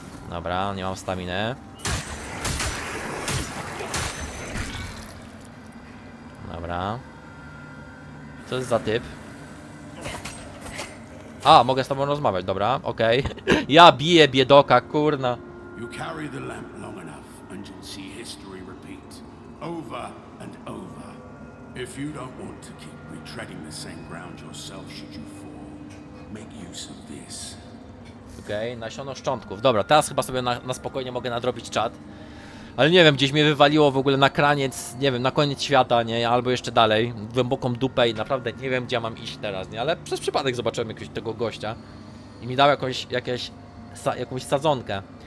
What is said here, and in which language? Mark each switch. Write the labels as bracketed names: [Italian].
[Polish] Dobra, nie mam staminy. Dobra. Co jest za typ? A, mogę z tobą rozmawiać, dobra, okej. Okay. Ja biję biedoka, kurna. [English] You carry the lamp long enough and you'll see history repeat. Over and over. If you don't want to keep retreading the same ground yourself, should you fall, make use of this. [Polish] Okej, okay, nasiono szczątków. Dobra, teraz chyba sobie na spokojnie mogę nadrobić czat. Ale nie wiem, gdzieś mnie wywaliło w ogóle na kraniec, nie wiem, na koniec świata, nie? Albo jeszcze dalej, w głęboką dupę i naprawdę nie wiem, gdzie mam iść teraz, nie? Ale przez przypadek zobaczyłem jakiegoś tego gościa i mi dał jakąś sadzonkę.